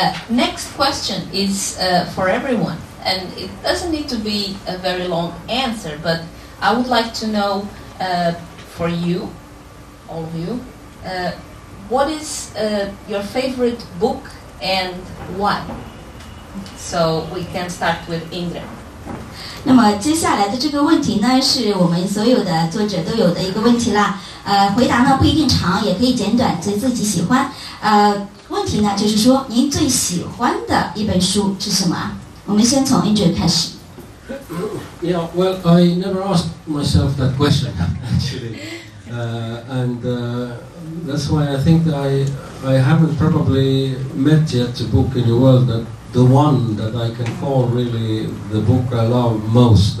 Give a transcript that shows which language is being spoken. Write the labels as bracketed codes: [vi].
[en] Next question is for everyone, and it doesn't need to be a very long answer, but I would like to know for you, all of you, what is your favorite book and why? So we can start with Indra. [zh] 那么接下来的这个问题呢，是我们所有的作者都有的一个问题啦。回答呢不一定长，也可以简短，随自己喜欢。问题呢就是说，您最喜欢的一本书是什么？我们先从 Indra 开始。 [en] Yeah, well, I never asked myself that question, actually. That's why I think I haven't probably met yet a book in the world that the one that I can call really the book I love most.